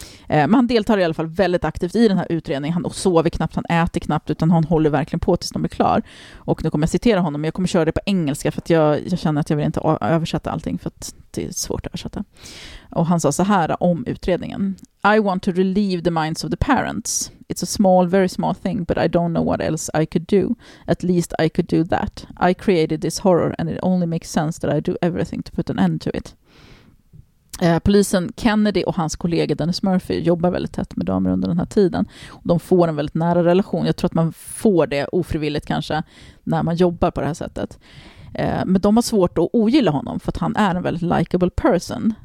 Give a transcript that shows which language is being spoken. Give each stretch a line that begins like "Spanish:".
Swedish: Men han deltar i alla fall väldigt aktivt i den här utredningen. Han sover knappt, han äter knappt, utan han håller verkligen på tills de är klar. Och nu kommer jag citera honom, men jag kommer köra det på engelska, för att jag känner att jag vill inte översätta allting, för att det är svårt att översätta. Och han sa så här om utredningen:
English: I want to relieve the minds of the parents. It's a small, very small thing, but I don't know what else I could do. At least I could do that. I created this horror and it only makes sense that I do everything to put an end to it.
Swedish: Polisen Kennedy och hans kollega Dennis Murphy jobbar väldigt tätt med Dahmer under den här tiden. De får en väldigt nära relation. Jag tror att man får det ofrivilligt kanske när man jobbar på det här sättet. Men de har svårt att ogilla honom, för att han är en väldigt likable person.